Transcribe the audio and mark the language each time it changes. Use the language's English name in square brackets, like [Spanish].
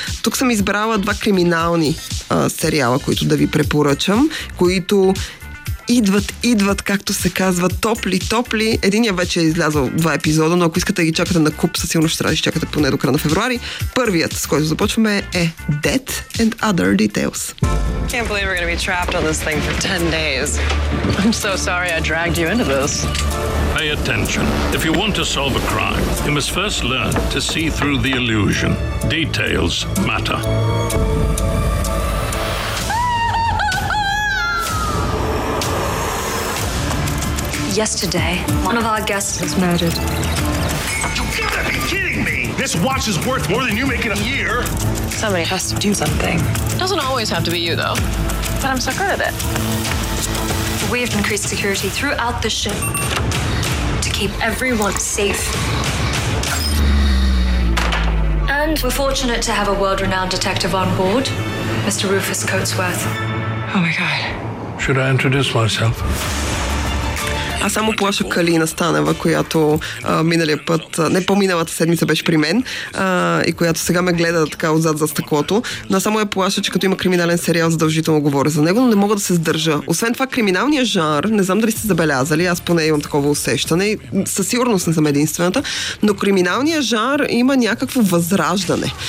[Bulgarian] Тук съм избрала два криминални сериала, които да ви препоръчам, които идват, както се казва, топли. Единия вече е излязъл два епизода, но ако искате да ги чакате на куп, със сигурност ще трябва да чакате поне до края на февруари. Първият, с който започваме, е Death and Other Details. [English] Can't believe we're gonna be trapped on this thing for 10 days. I'm so sorry I dragged you into this. Pay attention. If you want to solve a crime, you must first learn to see through the illusion. Details matter. Yesterday, one of our guests was murdered. You gotta be kidding me! This watch is worth more than you make in a year! Somebody has to do something. It doesn't always have to be you, though. But I'm so good at it. We've increased security throughout the ship to keep everyone safe. And we're fortunate to have a world-renowned detective on board, Mr. Rufus Coatsworth. Oh my God. Should I introduce myself? [Bulgarian] Аз само плаша Калина Станева, която миналия път, не по-миналата седмица беше при мен, и която сега ме гледа така отзад за стъклото. Но само я плаша, че като има криминален сериал, задължително говоря за него, но не мога да се сдържа. Освен това, криминалният жанр, не знам дали сте забелязали, аз поне имам такова усещане, със сигурност не съм единствената, но криминалният жанр има някакво възраждане.